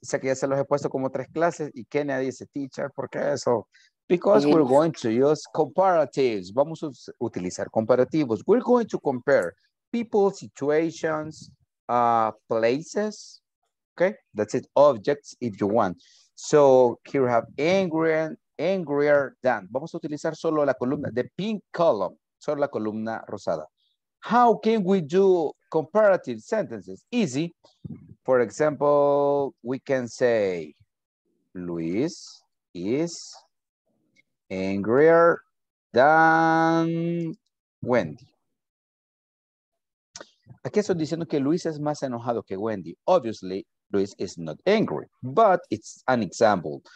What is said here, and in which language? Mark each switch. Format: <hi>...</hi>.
<es>Sé que ya se los he puesto como tres clases y Kenia dice, teacher, ¿por qué eso?</es> <en>Because we're going to use comparatives.</en> <es>Vamos a utilizar comparativos.</es> <en>We're going to compare people, situations, places, okay? That's it, objects, if you want. So here we have angrier than.</en> <es>Vamos a utilizar solo la columna,</es> <en>the pink column,</en> <es>solo la columna rosada.</es> <en>How can we do comparative sentences? Easy. For example, we can say, Luis is angrier than Wendy.</en> <es>Aquí estoy diciendo que Luis es más enojado que Wendy.</es> <en>Obviously, Luis is not angry, but it's an example.</en>